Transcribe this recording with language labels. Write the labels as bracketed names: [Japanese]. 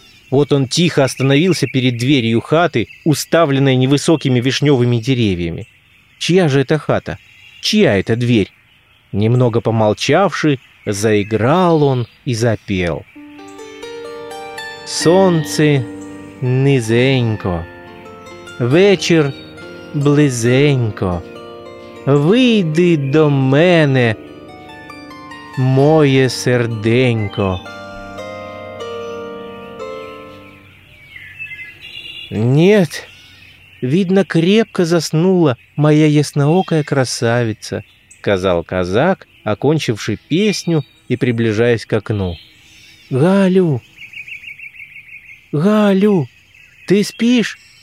[Russian] Вот он тихо остановился перед дверью хаты, уставленной невысокими вишневыми деревьями. Чья же это хата? Чья эта дверь? Немного помолчавши, заиграл он и запел. [Ukrainian] Солнце низенько, вечір близенько, вийди до мене, моє серденько. [Russian] Нет, видно, крепко заснула моя ясноокая красавица, сказал казак, окончивший песню и приближаясь к окну. Галю, Галю, ты спишь?